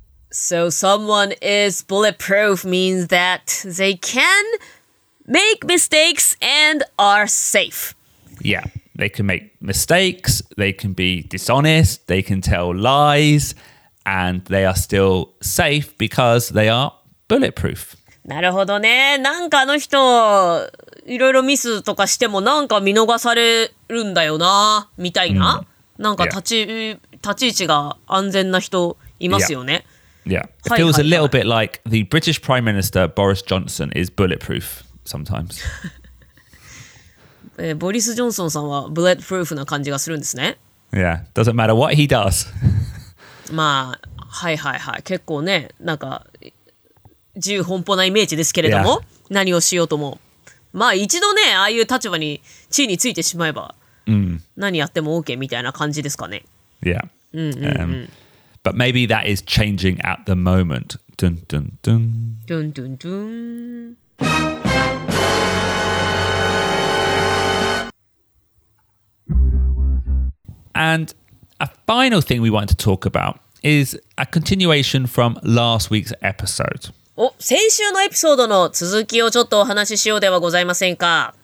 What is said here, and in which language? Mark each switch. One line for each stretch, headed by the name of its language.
English: So someone is bulletproof means that they can make mistakes and are safe. Yeah, they can make mistakes, they can be dishonest, they can tell lies, and they are still safe because they are bulletproof.
Japanese: なるほどね。なんかあの人いろいろミスとかしてもなんか見逃されるんだよな、みたいな、なんか立ち位置が安全な人いますよね。
English: Yeah. It feels a little bit like the British Prime Minister Boris Johnson is bulletproof sometimes.
Japanese: ボリス・ジョンソンさんは bulletproof な感じがするんですね。
English: Yeah. Doesn't matter what he does.
Japanese: まあ、はいはいはい。結構ね、なんか自由奔放なイメージですけれども、yeah. 何をしようとも。まあ一度ね、ああいう立場に地位についてしまえば、何やっても OK みたいな感じですかね。
English: Yeah.
Japanese: うんうんうん。
English: But maybe that is changing at the moment. Dun, dun, dun. Dun, dun, dun. And a final thing we want to talk about is a continuation from last week's episode.
Japanese: お、先週のエピソードの続きをちょっとお話ししようではございませんか。